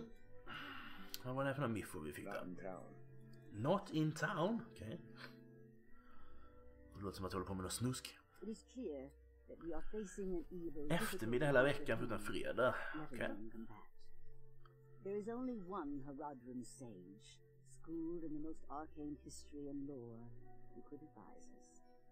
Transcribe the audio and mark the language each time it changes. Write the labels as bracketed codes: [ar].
[sv] Mm-hmm. Vad var det för en miffo vi fick då? [en] Not in town? [sv] Okej. Okay. Det låter som att jag håller på med något snusk. [en] It is clear that we are facing an evil... [sv] Eftermiddag hela veckan förutom fredag. Okej. [en] There is only one Haradrim sage. Schooled in the most arcane history and lore you could advise us.